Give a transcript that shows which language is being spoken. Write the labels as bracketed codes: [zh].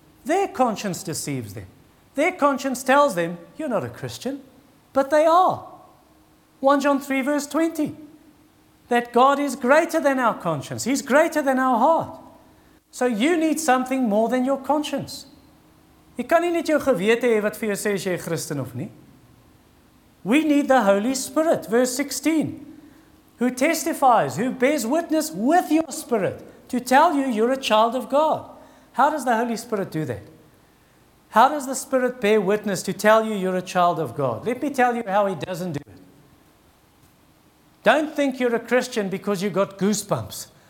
[en] Their conscience deceives them. Their conscience tells them, you're not a Christian. But they are. 1 John 3 verse 20. That God is greater than our conscience. He's greater than our heart. So you need something more than your conscience. [af] Jy kan nie net jou gewete hê wat vir jou sê as jy 'n Christen of nie. [en] We need the Holy Spirit, verse 16, who testifies, who bears witness with your spirit to tell you you're a child of God. How does the Holy Spirit do that? How does the Spirit bear witness to tell you you're a child of God? Let me tell you how he doesn't do it. Don't think you're a Christian because you got goosebumps.